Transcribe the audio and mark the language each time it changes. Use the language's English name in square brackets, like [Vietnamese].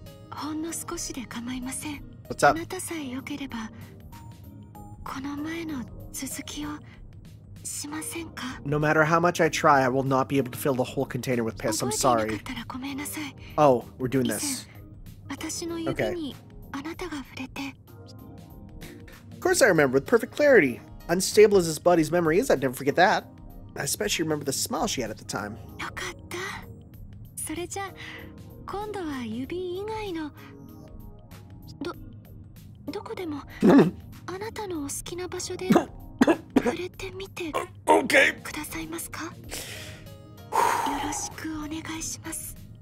[Japanese] ほんの少しで構いません。 [English] What's up? [Japanese] あなたさえよければこの前の続きをしませんか。 [English] No matter how much I try, I will not be able to fill the whole container with piss. I'm sorry. [Japanese] 覚えていなかったらごめんなさい。 [English] Oh, we're doing this. [Japanese] 以前、私の指にあなたが触れて。 [English] Of course I remember with perfect clarity. Unstable as his buddy's memory is, I'd never forget that. I especially remember the smile she had at the time. [Japanese] よかった。それじゃ。今度は指以外のどこでもあなたのお好きな場所で触れてみてくださいますか。よろしくお願いします。